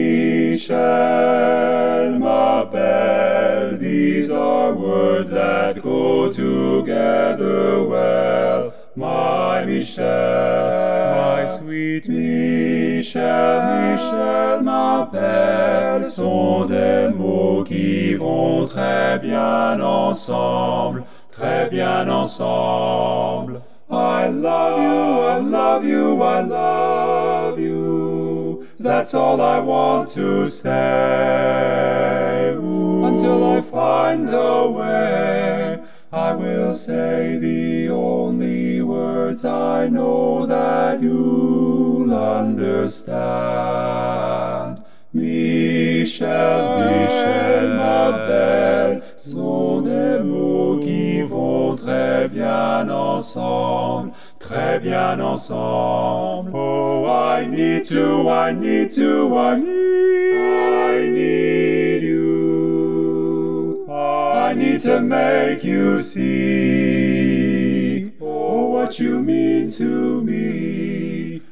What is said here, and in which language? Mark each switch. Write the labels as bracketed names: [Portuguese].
[English] Michelle, [French] ma belle, [English] these are words that go together well. My Michelle, my sweet [French] Michelle, Michelle, ma belle, sont des mots qui vont très bien ensemble, très bien ensemble. [English] I love you, I love you, I love you. That's all I want to say. Ooh, until I find a way, I will say the only words I know that you'll understand. [French] Michelle, Michelle, ma belle, sont des mots qui vont très bien ensemble, très bien ensemble. [English] Oh, I need to, I need to, I need you. I need to make you see, oh, what you mean to me.